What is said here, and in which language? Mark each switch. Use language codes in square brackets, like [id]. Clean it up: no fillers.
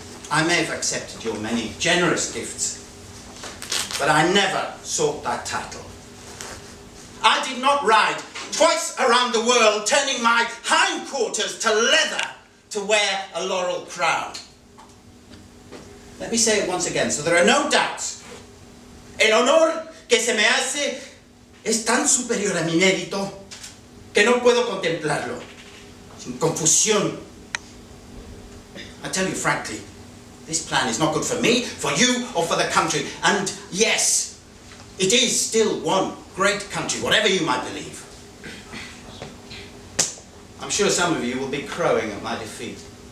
[en] I may have accepted your many generous gifts, but I never sought that title. I did not ride twice around the world, turning my hindquarters to leather to wear a laurel crown. Let me say it once again, so there are no doubts. [es] El honor que se me hace es tan superior a mi mérito que no puedo contemplarlo sin confusión. [en] I tell you frankly, this plan is not good for me, for you, or for the country. And yes, it is still one great country, whatever you might believe. I'm sure some of you will be crowing at my defeat.